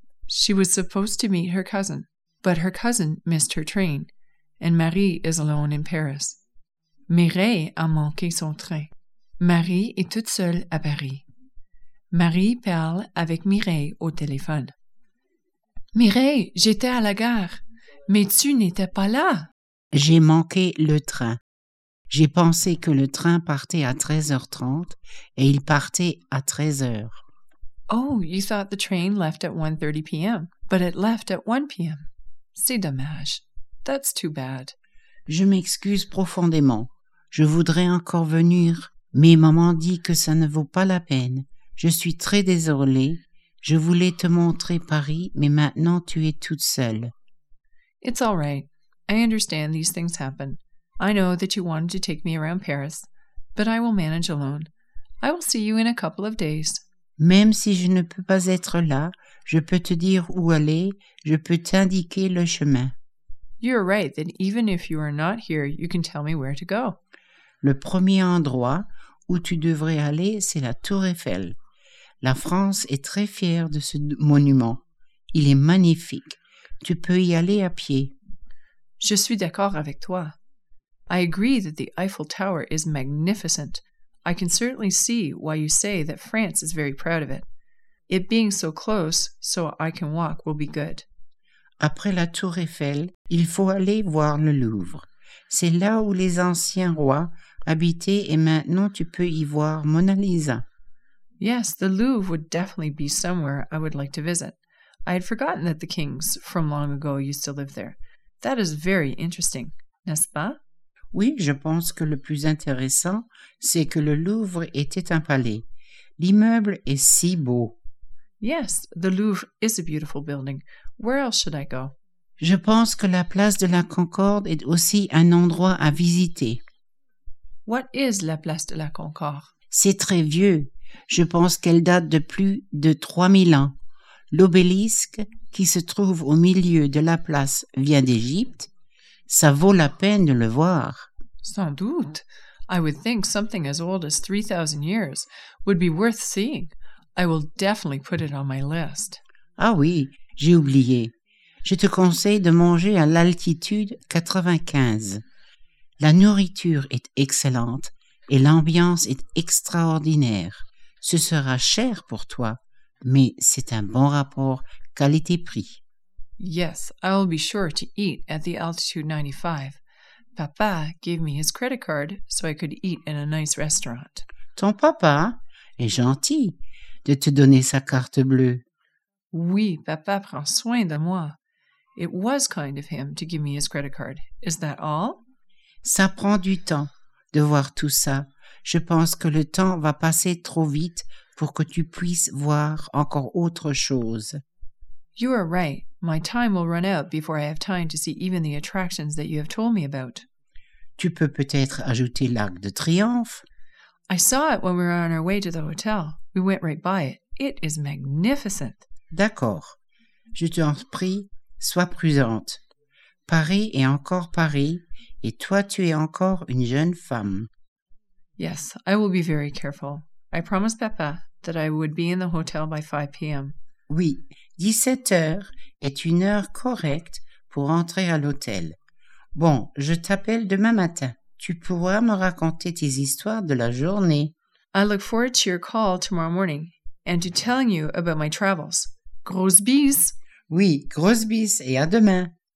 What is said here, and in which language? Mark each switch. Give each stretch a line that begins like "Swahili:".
English: She was supposed to meet her cousin, but her cousin missed her train, and Marie is alone in Paris.
French: Mireille a manqué son train. Marie est toute seule à Paris. Marie parle avec Mireille au téléphone. Mireille, j'étais à la gare, mais tu n'étais pas là. J'ai manqué le train. J'ai pensé que le train partait à 13h30 et il partait à 13h.
English: Oh, you thought the train left at 1:30 p.m., but it left at 1 p.m.
French: C'est dommage.
English: That's too bad.
French: Je m'excuse profondément. Je voudrais encore venir, mais maman dit que ça ne vaut pas la peine. Je suis très désolée. Je voulais te montrer Paris, mais maintenant tu es toute seule.
English: It's all right. I understand these things happen. I know that you wanted to take me around Paris, but I will manage alone. I will see you in a couple of days.
French: Même si je ne peux pas être là, je peux te dire où aller, je peux t'indiquer le chemin.
English: You are right that even if you are not here, you can tell me where to go.
French: Le premier endroit où tu devrais aller, c'est la Tour Eiffel. La France est très fière de ce monument. Il est magnifique. Tu peux y aller à pied. Je suis d'accord avec toi.
English: I agree that the Eiffel Tower is magnificent. I can certainly see why you say that France is very proud of it. It being so close, so I can walk will be good.
French: Après la Tour Eiffel, il faut aller voir le Louvre. C'est là où les anciens rois habitaient et maintenant tu peux y voir Mona Lisa.
English: Yes, the Louvre would definitely be somewhere I would like to visit. I had forgotten that the kings from long ago used to live there. That is very interesting,
French: n'est-ce pas? Oui, je pense que le plus intéressant, c'est que le Louvre était un palais. L'immeuble est si beau.
English: Yes, the Louvre is a beautiful building. Where else should I go?
French: Je pense que la place de la Concorde est aussi un endroit à visiter.
English: What is la place de la Concorde?
French: C'est très vieux. Je pense qu'elle date de plus de 3000 ans. L'obélisque, qui se trouve au milieu de la place, vient d'Égypte. Ça vaut la peine de le voir. Sans doute.
English: I would think something as old as 3,000 years would be worth seeing. I will definitely put it on my list.
French: Ah oui, j'ai oublié. Je te conseille de manger à l'altitude 95. La nourriture est excellente et l'ambiance est extraordinaire. Ce sera cher pour toi, mais c'est un bon rapport qualité-prix.
English: Yes, I will be sure to eat at the altitude 95. Papa gave me his credit card so I could eat in a nice restaurant.
French: Ton papa est gentil de te donner sa carte bleue. Oui, papa prend soin de moi.
English: It was kind of him to give me his credit card. Is that all?
French: Ça prend du temps de voir tout ça. Je pense que le temps va passer trop vite pour que tu puisses voir encore autre chose.
English: You are right. My time will run out before I have time to see even the attractions that you have told me about.
French: Tu peux peut-être ajouter l'Arc de Triomphe.
English: I saw it when we were on our way to the hotel. We went right by it. It is magnificent.
French: D'accord. Je t'en prie, sois prudente. Paris est encore Paris, et toi tu es encore une jeune femme.
English: Yes, I will be very careful. I promised Papa that I would be in the hotel by 5 p.m.
French: Oui, 17h est une heure correcte pour entrer à l'hôtel. Bon, je t'appelle demain matin. Tu pourras me raconter tes histoires de la journée.
English: I look forward to your call tomorrow morning and to telling you about my travels.
French: Grosse bise! Oui, grosse bise et à demain!